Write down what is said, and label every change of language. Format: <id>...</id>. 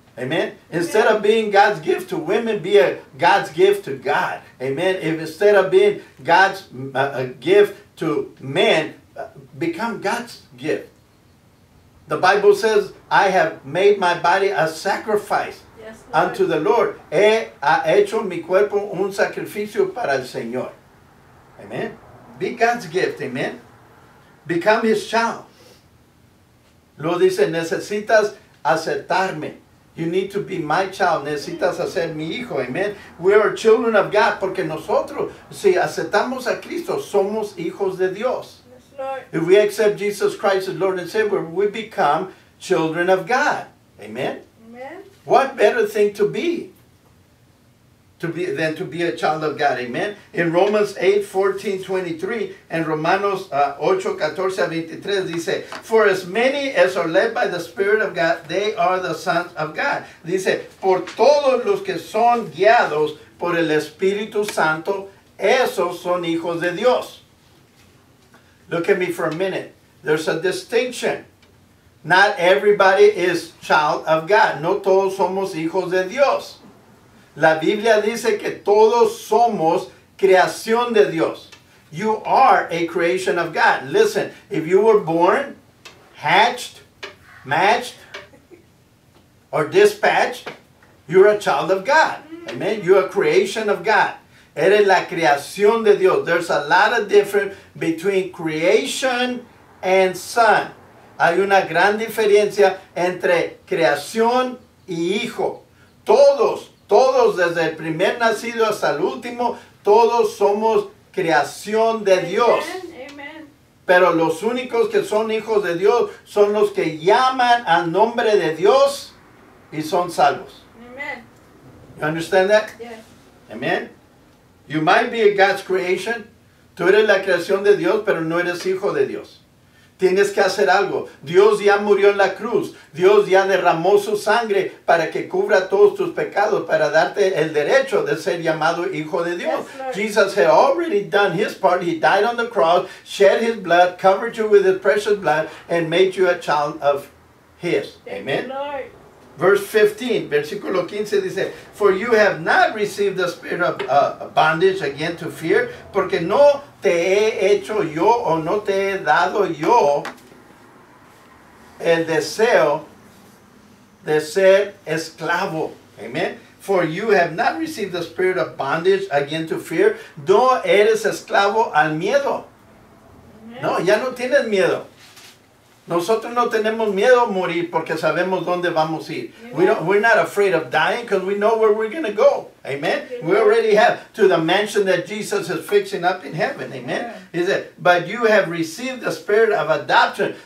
<en>Amen. Instead of being God's gift to women, be a God's gift to God. Amen. If instead of being God's a gift to men, become God's gift. The Bible says, I have made my body a sacrifice unto the Lord.</en> <es>He hecho mi cuerpo un sacrificio para el Señor.</es> <en>Amen. Be God's gift. Amen. Become his child.</en> <es>Lo dice, necesitas aceptarme.</es> <en>You need to be my child.</en> <es>Necesitas hacer mi hijo.</es> <en>Amen. We are children of God.</en> <es>Porque nosotros, si aceptamos a Cristo, somos hijos de Dios.</es> <en>Lord. If we accept Jesus Christ as Lord and Savior, we become children of God. Amen? Amen. What better thing to be than to be a child of God? Amen. In Romans 8:14-23 and Romanos 8:14-23 dice, for as many as are led by the Spirit of God, they are the sons of God.</en> <es>Dice, por todos los que son guiados por el Espíritu Santo, esos son hijos de Dios.</es> <en>Look at me for a minute. There's a distinction. Not everybody is child of God.</en> <es>No todos somos hijos de Dios. La Biblia dice que todos somos creación de Dios.</es> <en>You are a creation of God. Listen, if you were born, hatched, matched, or dispatched, you're a child of God. Amen? You're a creation of God.</en> <es>Eres la creación de Dios.</es> <en>There's a lot of difference between creation and son.</en> <es>Hay una gran diferencia entre creación y hijo. Todos, desde el primer nacido hasta el último, todos somos creación de Dios. Pero los únicos que son hijos de Dios son los que llaman al nombre de Dios y son salvos.</es> <en>You understand that? Yes. Amen. You might be a God's creation.</en> <es>Tú eres la creación de Dios, pero no eres hijo de Dios. Tienes que hacer algo. Dios ya murió en la cruz. Dios ya derramó su sangre para que cubra todos tus pecados, para darte el derecho de ser llamado hijo de Dios.</es> <en>Yes, Jesus had already done his part. He died on the cross, shed his blood, covered you with his precious blood, and made you a child of his. Thank Amen. You, Lord. Verse 15,</en> <es>versículo 15 dice,</es> <en>for you have not received the spirit of bondage again to fear,</en> <es>porque no te he hecho yo o no te he dado yo el deseo de ser esclavo. Amen.</es> <en>For you have not received the spirit of bondage again to fear.</en> <es>No eres esclavo al miedo. No, ya no tienes miedo. Nosotros no tenemos miedo a morir porque sabemos dónde vamos a ir.</es> <en>We're not afraid of dying because we know where we're going to go. Amen? Yeah. We already have to the mansion that Jesus is fixing up in heaven. Amen? Yeah. He said, but you have received the spirit of adoption.</en>